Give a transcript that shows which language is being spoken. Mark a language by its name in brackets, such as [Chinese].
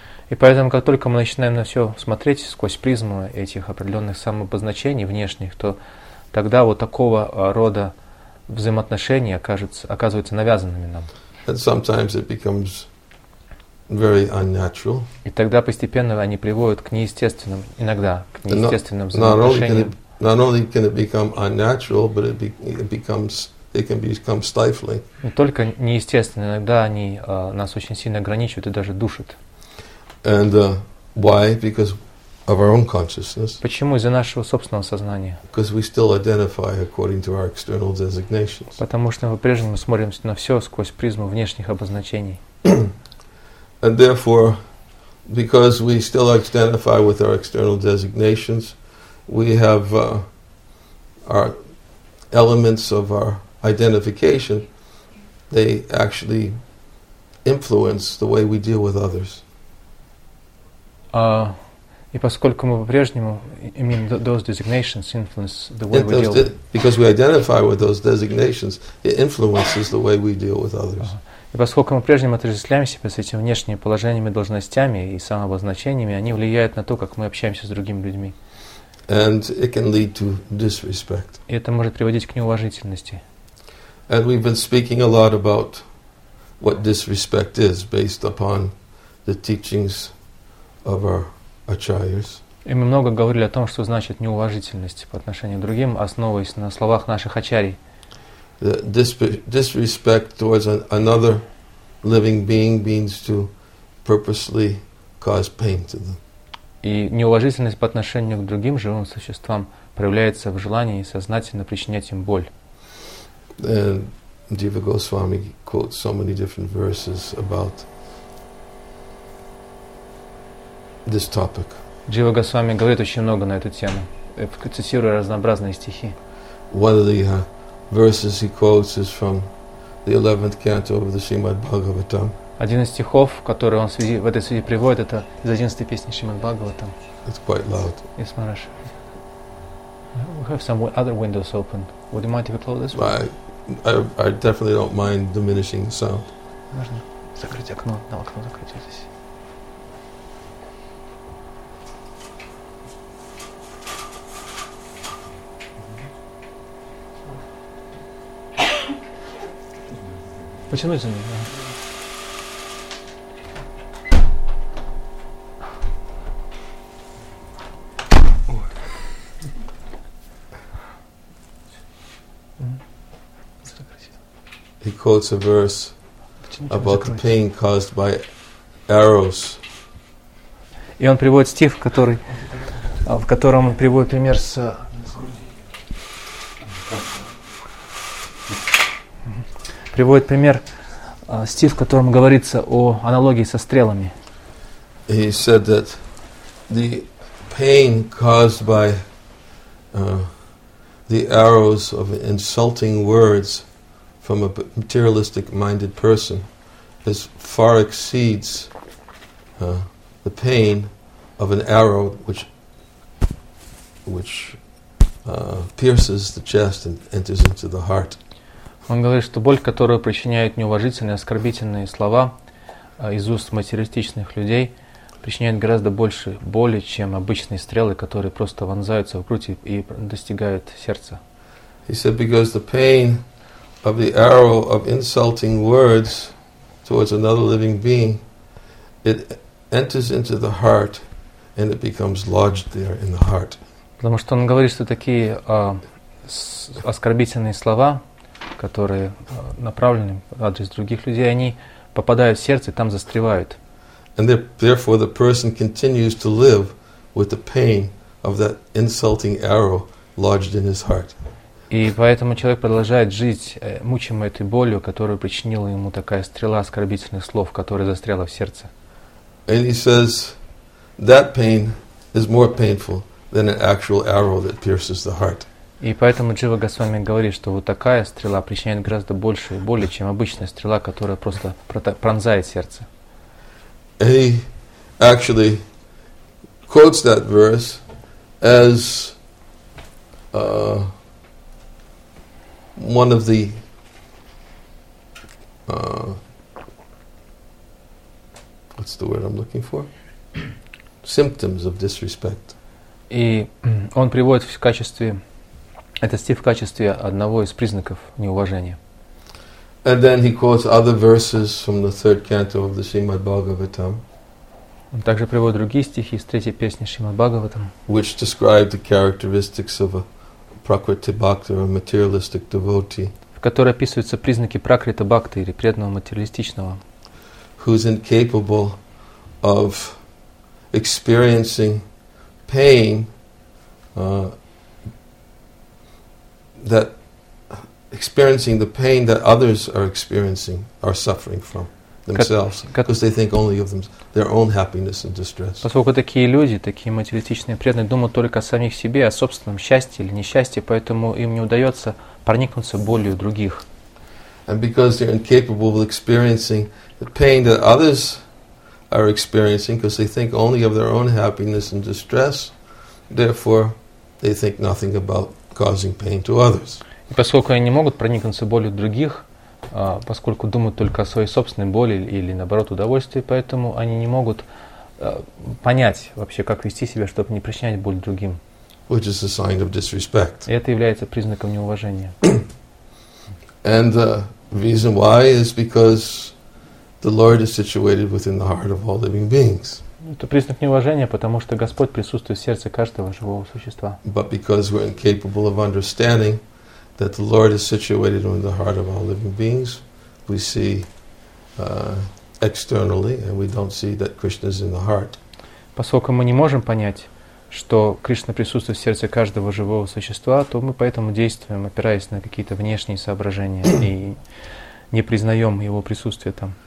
[Russian] И поэтому, как только мы начинаем на все смотреть сквозь призму этих определенных самообозначений внешних, то тогда вот такого рода взаимоотношения оказываются навязанными нам. [English] And sometimes it becomes very unnatural. [Russian] И тогда постепенно они приводят к неестественным, иногда к неестественным взаимоотношениям. [English] Not only can it become unnatural, but it becomes they can become stifling. [Russian] Не только неестественно, иногда они нас очень сильно ограничивают и даже душат. [English] And why? Because of our own consciousness. [Russian] Почему? Из-за нашего собственного сознания. [English] Because we still identify according to our external designations. [Russian] Потому что мы по-прежнему смотрим на все сквозь призму внешних обозначений. [English] And therefore, because we still identify with our external designations, we have our elements of our identification, they actually influence the way we deal with others. [Russian] И поскольку мы по-прежнему, [English] I mean, those designations influence the way we deal with others. Because we identify with those designations, it influences the way we deal with others. [Russian] И поскольку мы по-прежнему отождествляем себя с этими внешними положениями, должностями и самообозначениями, они влияют на то, как мы общаемся с другими людьми. [English] And it can lead to disrespect. [Russian] И это может приводить к неуважительности. [English] And we've been speaking a lot about what disrespect is based upon the teachings of our acharyas. [Russian] И мы много говорили о том, что значит неуважительность по отношению к другим, основываясь на словах наших ачарий. [English] The disrespect towards another living being means to purposely cause pain to them. [Russian] И неуважительность по отношению к другим живым существам проявляется в желании сознательно причинять им боль. [English] And Deva Goswami quotes so many different verses about this topic. [Russian] Джива Госвами говорит очень много на эту тему, цитируя разнообразные стихи. [English] One of the verses he quotes is from the 11th canto of the Srimad Bhagavatam. [Russian] Один из стихов, который он в этой связи приводит, это из 11-й песни Шримад Бхагаватам. [English] It's quite loud. Yes, Maharaj. We have some other windows open. Would you mind if we close this one? I definitely don't mind diminishing the sound. [Russian] Можно закрыть окно? На окно закрыть здесь. Потянуть за ним, да. [English] He quotes a verse about the pain caused by arrows. [Russian] И он приводит стих, который, в котором он приводит пример с. Приводит пример стих, в котором говорится о аналогии со стрелами. [English] He said that the pain caused by the arrows of insulting words from a materialistic-minded person is far exceeds the pain of an arrow which pierces the chest and enters into the heart. [Russian] Он говорит, что боль, которую причиняют неуважительные, оскорбительные слова из уст материалистичных людей, причиняет гораздо больше боли, чем обычные стрелы, которые просто вонзаются в грудь и достигают сердца. [English] He said, because the pain of the arrow of insulting words towards another living being, it enters into the heart and it becomes lodged there in the heart. [Russian] Потому что он говорит, что такие оскорбительные слова, которые направлены в адрес других людей, они попадают в сердце и там застревают. [English] And therefore the person continues to live with the pain of that insulting arrow lodged in his heart. [Russian] И поэтому человек продолжает жить, мучимый этой болью, которую причинила ему такая стрела оскорбительных слов, которая застряла в сердце. [English] And he says that pain is more painful than an actual arrow that pierces the heart. [Russian] И поэтому Джива Госвами говорит, что вот такая стрела причиняет гораздо больше боли, чем обычная стрела, которая просто пронзает сердце. [English] He actually quotes that verse as one of the what's the word I'm looking for? Symptoms of disrespect. [Russian] И он приводит в качестве этот стих в качестве одного из признаков неуважения. [English] And then he quotes other verses from the third canto of the Srimad Bhagavatam. [Russian] Он также приводит другие стихи из третьей песни Шримад Бхагаватам, [English] which describe the characteristics of a Prakriti Bhakta, a materialistic devotee. [Russian] В которой описываются признаки пракрита бхакти или преданного материалистичного. [English] Who's incapable of experiencing pain that experiencing the pain that others are experiencing, are suffering from themselves, because they think only of their own happiness and distress. [Russian] Поскольку такие люди, такие материалистичные преданные, думают только о самих себе, о собственном счастье или несчастье, поэтому им не удается проникнуться болью других. [English] And because they're incapable of experiencing the pain that others are experiencing, because they think only of their own happiness and distress, therefore they think nothing about causing pain to others. [Russian] И поскольку они не могут проникнуться болью других, поскольку думают только о своей собственной боли или, наоборот, удовольствии, поэтому они не могут понять вообще, как вести себя, чтобы не причинять боль другим. [English] Which is a sign of disrespect. [Russian] И это является признаком неуважения. [English] And the reason why is because the Lord is situated within the heart of all living beings. [Russian] Это признак неуважения, потому что Господь присутствует в сердце каждого живого существа. [English] But because we're incapable of understanding that the Lord is situated in the heart of all living beings, we see externally, and we don't see that Krishna is in the heart. [Russian] Поскольку мы не можем понять, что Кришна присутствует в сердце каждого живого существа, то мы поэтому действуем, опираясь на какие-то внешние соображения и не признаем его присутствие там.